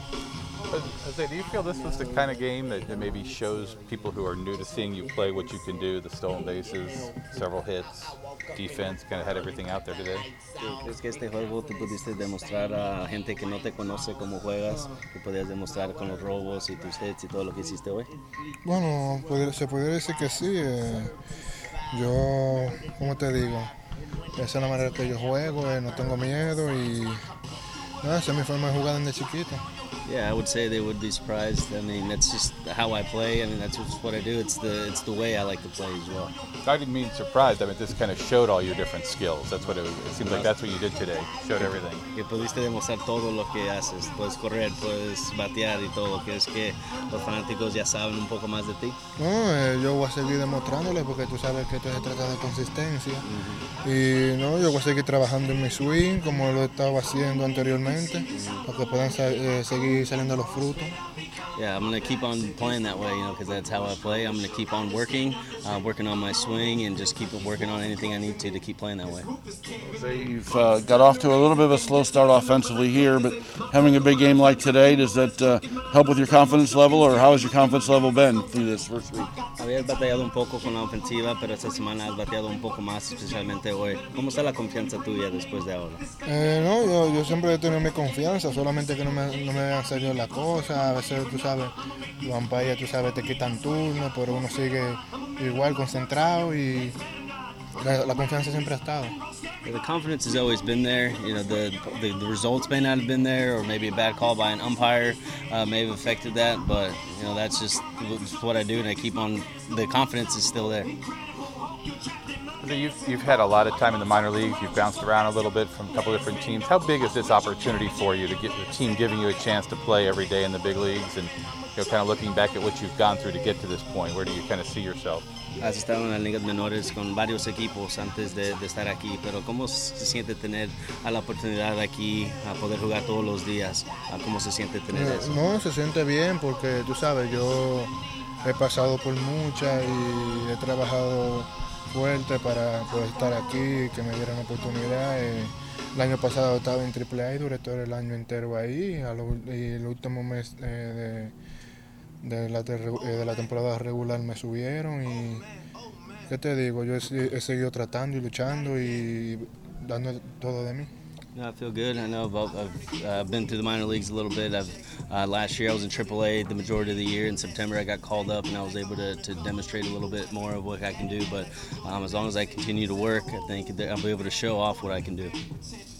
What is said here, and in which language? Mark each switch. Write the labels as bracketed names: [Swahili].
[English] Jose, do you feel this was the kind of game that, that maybe shows people who are new to seeing you play what you can do, the stolen bases, several hits, defense, kind of had everything out there today? [Spanish] ¿Crees que este juego tú pudiste demostrar a gente que no te conoce cómo juegas, que podías demostrar con los robos y tus hits y todo lo que hiciste hoy? Bueno, se podría decir que sí. Yo, ¿cómo te digo? Esa es la manera que yo juego, no tengo miedo y... [English] Yeah, I would say they would be surprised. I mean, that's just how I play. I mean, that's just what I do. It's the way I like to play as well. I didn't mean surprised. I mean, this kind of showed all your different skills. That's what it, it seems like. That's what you did today. Showed everything. [Spanish] Que pudiste demostrar todo lo que haces. Puedes correr, puedes batear y todo. ¿Crees que los fanáticos ya saben un poco más de ti? Yo voy a seguir demostrándoles porque tú sabes que esto se trata de consistencia. Y no, yo voy a seguir trabajando en mi swing como lo estaba haciendo anteriormente para que puedan seguir saliendo los frutos. [English] Yeah, I'm gonna keep on playing that way, you know, because that's how I play. I'm gonna keep on working, working on my swing, and just keep working on anything I need to keep playing that way. You've got off to a little bit of a slow start offensively here, but having a big game like today, does that help with your confidence level, or how has your confidence level been through this first week? [Spanish] Había batallado un poco con la ofensiva, pero esta semana has batallado un poco más, especialmente hoy. ¿Cómo está la confianza tuya después de ahora? No, yo siempre he tenido mi confianza, solamente que no me han salido las cosas, a veces. Tú sabes, los umpires, tú sabes, te quitan turno, pero uno sigue igual, concentrado y la confianza siempre ha estado. [English] The confidence has always been there. You know, the results may not have been there, or maybe a bad call by an umpire may have affected that, but you know, that's just what I do, and I keep on, the confidence is still there. So you've had a lot of time in the minor leagues. You've bounced around a little bit from a couple different teams. How big is this opportunity for you to get the team giving you a chance to play every day in the big leagues? And you know, kind of looking back at what you've gone through to get to this point, where do you kind of see yourself? [Spanish] Has estado en las ligas menores con varios equipos antes de estar aquí, pero ¿cómo se siente tener a la oportunidad aquí a poder jugar todos los días? ¿Cómo se siente tener eso? No, se siente bien porque tú sabes, yo he pasado por muchas y he trabajado fuerte para poder estar aquí y que me dieran oportunidad. El año pasado estaba en AAA, duré todo el año entero ahí y el último mes de la temporada regular me subieron y qué te digo, yo he seguido tratando y luchando y dando todo de mí. [English] Yeah, I feel good. I know I've been through the minor leagues a little bit. Last year I was in AAA the majority of the year. In September I got called up and I was able to demonstrate a little bit more of what I can do. But as long as I continue to work, I think I'll be able to show off what I can do.